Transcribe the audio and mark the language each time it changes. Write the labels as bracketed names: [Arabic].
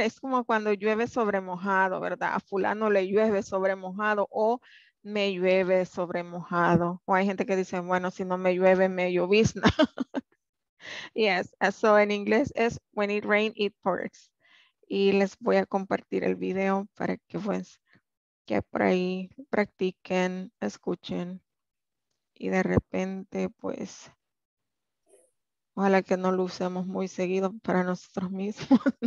[Spanish] Es como cuando llueve sobre mojado, ¿verdad? A fulano le llueve sobre mojado o me llueve sobre mojado. O hay gente que dice, bueno, si no me llueve, me llovizna. [English] Yes, so in English is when it rains, it pours. [Spanish] Y les voy a compartir el video para que pues que por ahí practiquen, escuchen. Y de repente, pues, ojalá que no lo usemos muy seguido para nosotros mismos.